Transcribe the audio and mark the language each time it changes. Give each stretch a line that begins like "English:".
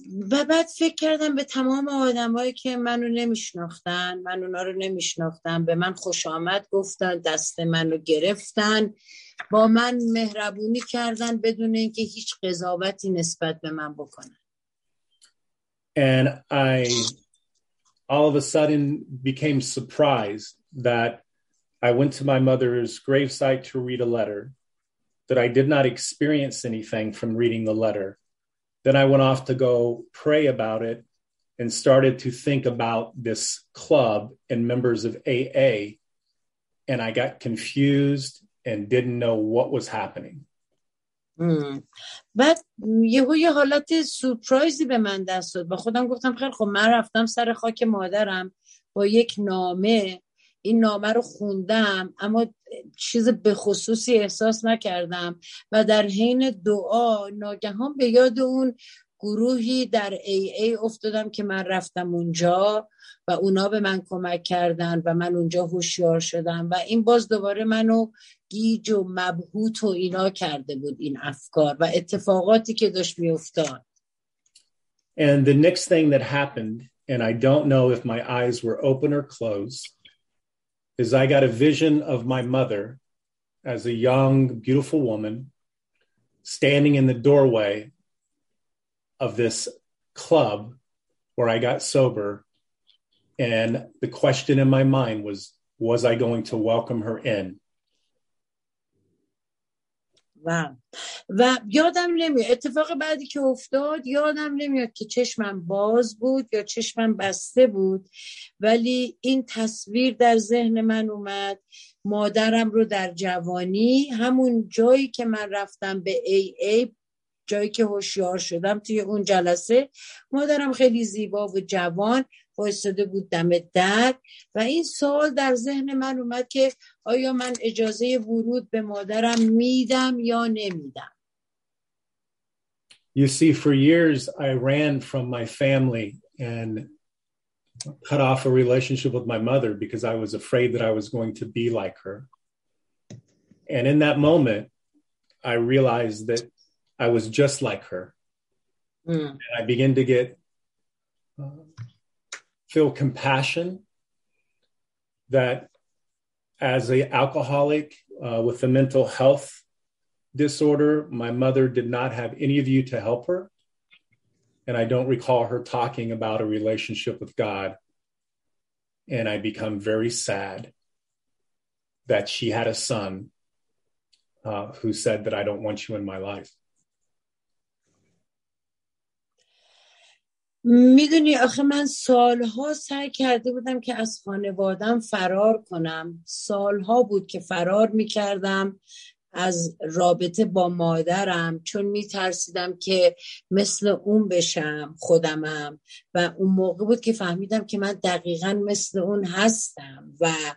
Persian: و بعد فکر کردم به تمام آدمایی که منو نمیشناختن، من اونا رو نمیشناختم، به من خوش آمد گفتن، دست منو گرفتن، با من مهربونی کردن بدون اینکه هیچ قضاوتی نسبت به من بکنن.
English: And I all of a sudden became surprised that I went to my mother's gravesite to read a letter, that I did not experience anything from reading the letter. Then I went off to go pray about it and started to think about this club and members of AA, and I got confused and didn't know what was happening.
Persian: بعد یهو یه حالت سورپرایزی به من دست داد. با خودم گفتم خیلی خب، من رفتم سر خاک مادرم با یک نامه، این نامه رو خوندم اما چیز به خصوصی احساس نکردم و در حین دعا ناگهان به یاد اون گروهی در AA افتادم که من رفتم اونجا و اونا به من کمک کردن و من اونجا هوشیار شدم و این باز دوباره منو گیج و مبهوت و اینا کرده بود، این افکار و اتفاقاتی که داشت می افتاد.
English: And the next thing that happened, and I don't know if my eyes were open or closed, is I got a vision of my mother as a young, beautiful woman standing in the doorway of this club where I got sober. And the question in my mind was I going to welcome her in?
Persian: و یادم نمیاد اتفاق بعدی که افتاد، یادم نمیاد که چشمم باز بود یا چشمم بسته بود، ولی این تصویر در ذهن من اومد، مادرم رو در جوانی همون جایی که من رفتم به AA، جایی که هوشیار شدم توی اون جلسه، مادرم خیلی زیبا و جوان وایساده بود دم در و این سوال در ذهن من اومد که آیا من اجازه ورود به مادرم میدم یا نمیدم.
English: You see, for years I ran from my family and cut off a relationship with my mother because I was afraid that I was going to be like her. And in that moment I realized that I was just like her. And I began to get feel compassion that as an alcoholic with a mental health disorder, my mother did not have any of you to help her. And I don't recall her talking about a relationship with God. And I become very sad that she had a son who said that I don't want you in my life.
Persian: میدونی آخه من سالها سعی کرده بودم که از خانوادم فرار کنم. سالها بود که فرار میکردم از رابطه با مادرم چون میترسیدم که مثل اون بشم خودمم و اون موقع بود که فهمیدم که من دقیقا مثل اون هستم و